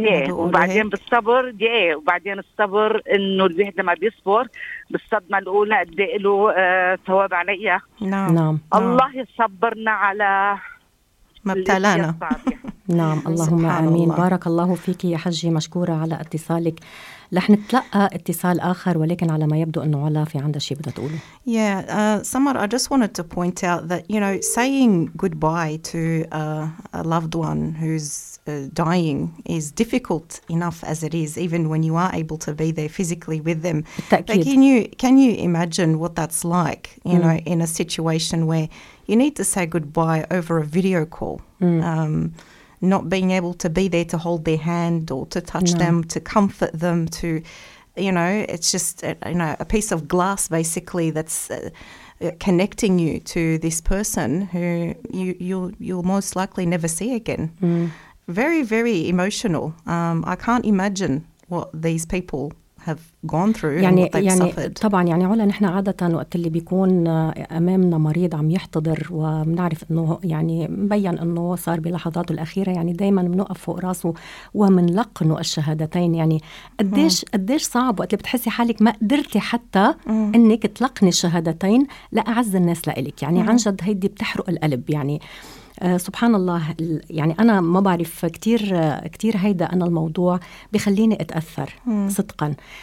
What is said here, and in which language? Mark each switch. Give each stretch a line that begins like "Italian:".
Arabic: وبعدين بالصبر وبعدين الصبر إنه الواحد ما بيصبر بالصدمة الأولى أدي له ثواب عليها نعم. الله يصبرنا على ما ابتلانا نعم اللهم آمين الله. بارك الله فيك يا حجي مشكورة على اتصالك رح نتلقى اتصال آخر ولكن على ما يبدو أنه علا في عندها شيء بدها تقوله
English: Yeah, Samar, I just wanted to point out that you know, saying goodbye to a loved one who's dying is difficult enough as it is even when you are able to be there physically with them
Arabic: بالتأكيد.
English: But can you imagine what that's like you know, in a situation where you need to say goodbye over a video call not being able to be there to hold their hand or to touch them, to comfort them, to, you know, it's just, you know, a piece of glass basically that's connecting you to this person who you'll most likely never see again. Very, very emotional. I can't imagine what these people have gone through
Arabic: يعني
English: and what they've
Arabic: يعني
English: suffered.
Arabic: طبعا يعني علا نحن عادة وقت اللي بيكون أمامنا مريض عم يحتضر ومنعرف أنه يعني مبين أنه صار بلحظاته الأخيرة يعني دايما منقف فوق راسه ومنلقنه الشهادتين يعني قديش صعب وقت اللي بتحسي حالك ما قدرتي حتى أنك تلقني الشهادتين لأعز الناس لإلك يعني عن جد هيدي بتحرق القلب يعني سبحان الله يعني أنا ما بعرف كتير هيدا أنا الموضوع بيخليني أتأثر صدقا